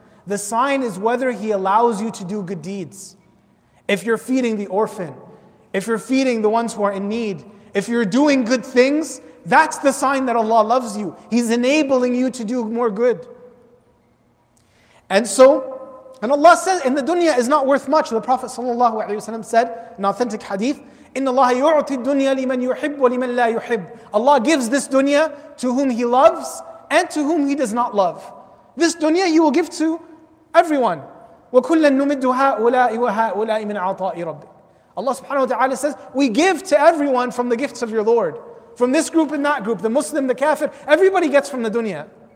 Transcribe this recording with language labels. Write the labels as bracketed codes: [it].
[en] The sign is whether He allows you to do good deeds. If you're feeding the orphan, if you're feeding the ones who are in need, if you're doing good things, that's the sign that Allah loves you. He's enabling you to do more good. And Allah says, in the dunya is not worth much. The Prophet ﷺ said, in authentic hadith, [ar] إِنَّ اللَّهَ يُعْطِ الدُّنْيَا لِمَنْ يُحِبُّ وَلِمَنْ لَا يُحِبُّ. [en] Allah gives this dunya to whom He loves and to whom He does not love. This dunya He will give to everyone. [ar] وَكُلَّنْ نُمِدُّ هَؤُلَاءِ وَهَؤُلَاءِ مِنْ عَطَاءِ رَبِّ. [en] Allah subhanahu wa ta'ala says, we give to everyone from the gifts of your Lord. from this group and that group, the Muslim, the kafir, everybody gets from the dunya.